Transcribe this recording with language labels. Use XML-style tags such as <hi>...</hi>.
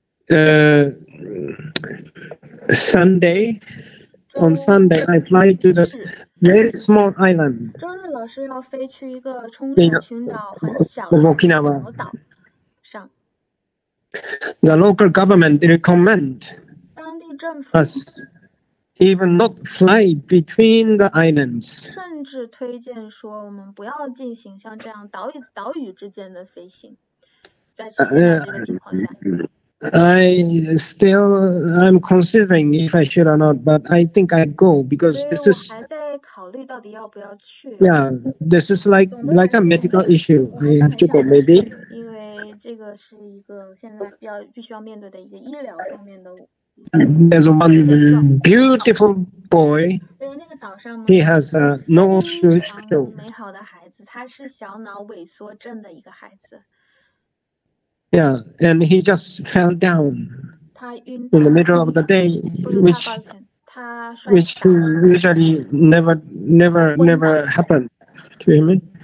<en>Yeah. Sunday, on Sunday, I fly to the very small island.</en> <zh>周日老师要飞去一个冲绳群岛，很小的小岛。</zh> <en>The local government recommend us even not fly between the islands.</en> <zh>甚至推荐说我们不要进行像这样岛屿之间的飞行。</zh> <en>I still I'm considering if I should or not, but I think I go because this is.</en> <zh>还在考虑到底要不要去。</zh> <en>Yeah, this is like a medical issue. I have to go maybe. There's one beautiful boy. He has a nose</en> <zh>show. 美好的孩子，他是小脑萎缩症的一个孩子。</zh> <en>Yeah, and he just fell down in the middle of the day, which usually never happened to him.</en>